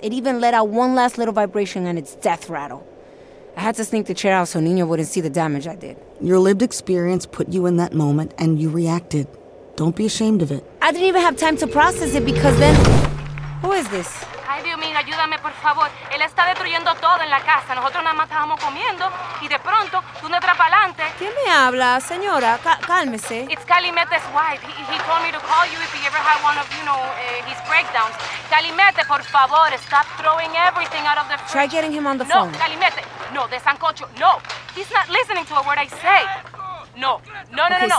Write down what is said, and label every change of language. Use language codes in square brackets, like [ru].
[en] It even let out one last little vibration and its death rattle. I had to sneak the chair out so Nino wouldn't see the damage I did. Your lived experience put you in that moment and you reacted. Don't be ashamed of it. I didn't even have time to process it because then... Who is this? [es] Ayúdame, por favor. Él está destruyendo todo en la casa. Nosotros nada más estábamos comiendo y de pronto, tú no entras pa'lante. ¿Quién me habla, señora? Cálmese. [en] It's Calimete's wife. He told me to call you if he ever had one of, you know, his breakdowns. Calimete, [es] por favor, [en] stop throwing everything out of the fridge. Try getting him on the phone. No, Calimete. No, de Sancocho. No. He's not listening to a word I say. No. No, no, okay, no.